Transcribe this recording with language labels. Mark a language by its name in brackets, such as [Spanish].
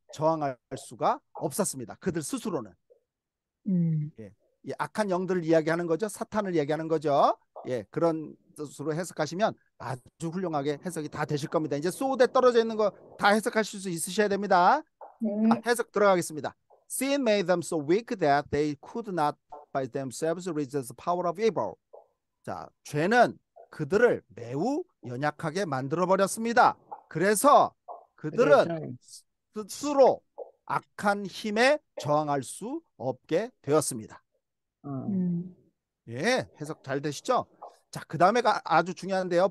[Korean] 저항할 수가 없었습니다. 그들 스스로는. 예. 예, 악한 영들을 이야기하는 거죠. 사탄을 이야기하는 거죠. 예, 그런 뜻으로 해석하시면 아주 훌륭하게 해석이 다 되실 겁니다. 이제 소드에 떨어져 있는 거 다 해석하실 수 있으셔야 됩니다. 아, 해석 들어가겠습니다. [English] Sin made them so weak that they could not by themselves resist the power of evil. [Korean] 자, 죄는 그들을 매우 연약하게 만들어버렸습니다. 그래서 그들은 스스로 악한 힘에 저항할 수 없게 되었습니다. 예, 해석 잘 되시죠? 자, 그 다음에 아주 중요한데요.